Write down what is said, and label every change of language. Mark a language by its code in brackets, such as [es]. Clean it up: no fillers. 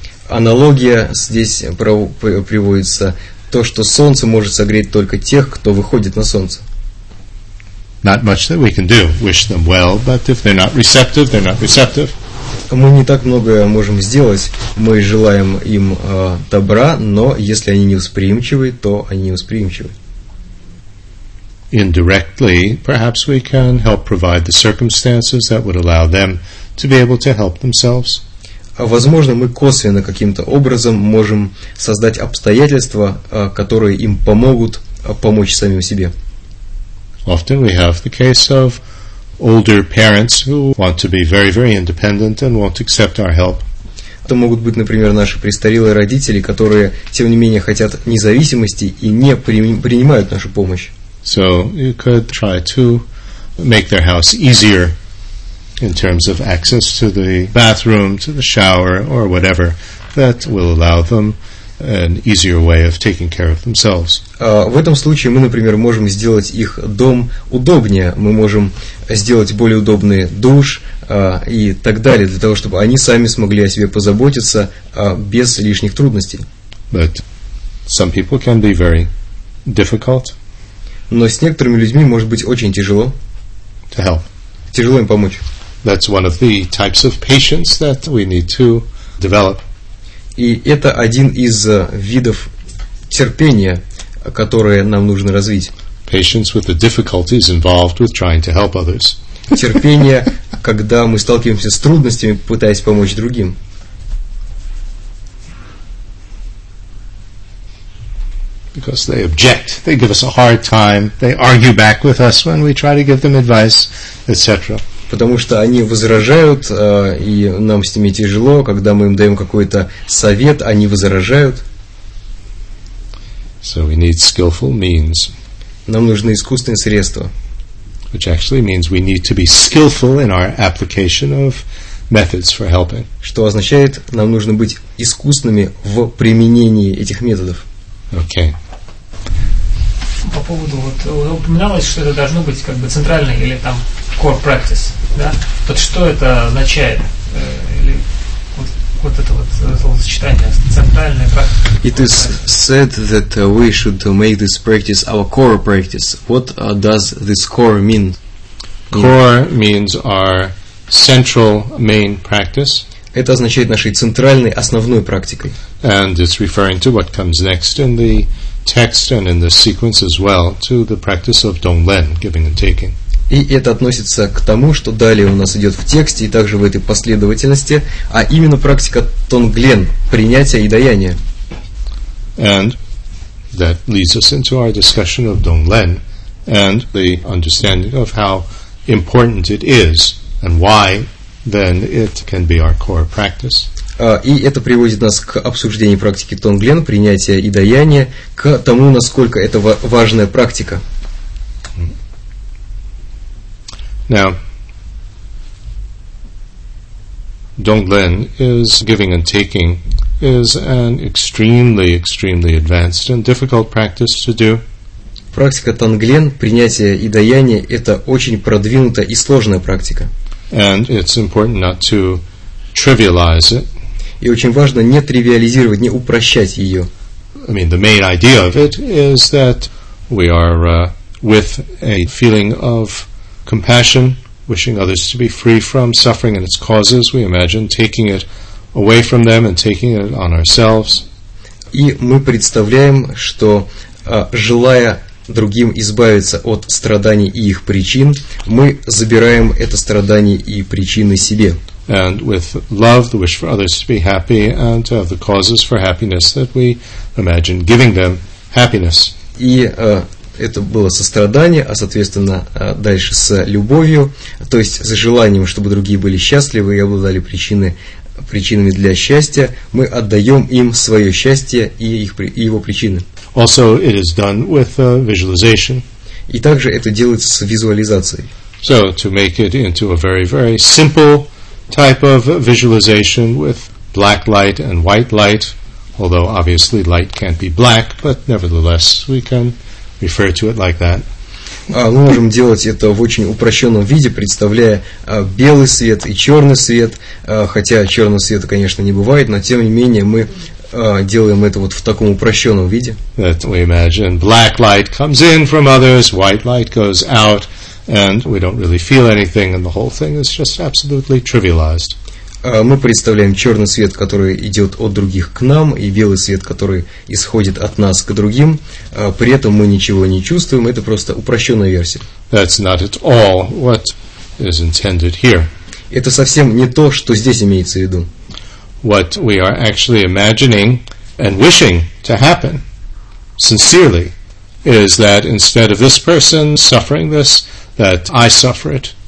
[ru] Аналогия здесь приводится то, что солнце может согреть только тех, кто выходит на солнце. [en] Not much that we can do. Wish them well, but if they're not receptive, they're not receptive. [ru] Мы не так многое можем сделать. Мы желаем им добра, но если они не восприимчивы, то они не восприимчивы. [en] Indirectly, perhaps we can help provide the circumstances that would allow them to be able to help themselves. [ru] Возможно, мы косвенно каким-то образом можем создать обстоятельства, которые им помогут помочь самим себе. [en] Often we have the case of older parents who want to be very, very independent and won't accept our help. [ru] Это могут быть, например, наши престарелые родители, которые, тем не менее, хотят независимости и не принимают нашу помощь. [en] So you could try to make their house easier in terms of access to the bathroom, to the shower, or whatever that will allow them an easier way of taking care of themselves. [ru] В этом случае мы, например, можем сделать их дом удобнее. Мы можем сделать более удобный душ и так далее, для того, чтобы они сами смогли о себе позаботиться без лишних трудностей. [en] But some people can be very difficult. [ru] Но с некоторыми людьми может быть очень тяжело. [en] To help. [ru] Тяжело им помочь. [en] That's one of the types of patience that we need to develop. [ru] И это один из видов терпения, которые нам нужно развить. [en] Patience with the difficulties involved with trying to help others. [ru] Терпение, когда мы сталкиваемся с трудностями, пытаясь помочь другим. [en] Because they object, they give us a hard time, they argue back with us when we try to give them advice, etc. [ru] Потому что они возражают, и нам с ними тяжело, когда мы им даем какой-то совет, они возражают. [en] So we need skillful means. [ru] Нам нужны искусственные средства. [en] Which actually means we need to be skillful in our application of methods for helping. [ru] Что означает, нам нужно быть искусными в применении этих методов. [en] Okay. [ru] По поводу, вот упоминалось, что это должно быть как бы центральной или там [en] core practice, [ru] да? Вот что это означает? Или вот это вот словосочетание, центральная практика? [en] It is said that we should make this practice our core practice. What does this core mean? Core means our central main practice. [ru] Это означает нашей центральной, основной практикой. [en] And it's referring to what comes next in the text and in the sequence as well, to the practice of donglen, giving and taking. [ru] И это относится к тому, что далее у нас идет в тексте и также в этой последовательности, а именно практика донглен, принятия и даяния. [en] And that leads us into our discussion of donglen and the understanding of how important it is and why then it can be our core practice. [ru] И это приводит нас к обсуждению практики Тонглен, принятия и даяния, к тому, насколько это важная практика. [en] Now, Тонглен is giving and taking is an extremely, extremely advanced and difficult practice to do. [ru] Практика Тонглен, принятия и даяния, это очень продвинутая и сложная практика. [en] And it's important not to trivialize it. [ru] И очень важно не тривиализировать, не упрощать ее. [en] I mean, the main idea of it is that we are with a feeling of compassion, wishing others to be free from suffering and its causes. We imagine taking it away from them and taking it on ourselves. [ru] И мы представляем, что желая другим избавиться от страданий и их причин, мы забираем это страдание и причины себе. [en] And with love, the wish for others to be happy and to have the causes for happiness that we imagine giving them happiness. [ru] И это было сострадание, а соответственно дальше с любовью, то есть с желанием, чтобы другие были счастливы и обладали причинами для счастья, мы отдаем им свое счастье и его причины. [en] Also, it is done with visualization. [ru] И также это делается с визуализацией. [en] So, to make it into a very, very simple type of visualization with black light and white light, although obviously light can't be black, but nevertheless, we can refer to it like that. [ru] Мы можем делать это в очень упрощенном виде, представляя белый свет и черный свет, хотя черного света, конечно, не бывает, но тем не менее мы делаем это вот в таком упрощенном виде. [en] That we imagine black light comes in from others, white light goes out, and we don't really feel anything, and the whole thing is just absolutely trivialized. [ru] Мы представляем черный свет, который идет от других к нам, и белый свет, который исходит от нас к другим. При этом мы ничего не чувствуем, это просто упрощенная версия. [en] That's not at all what is intended here. [ru] Это совсем не то, что здесь имеется в виду. [en] What we are actually imagining and wishing to happen sincerely is that instead of this person suffering this, that I suffer it.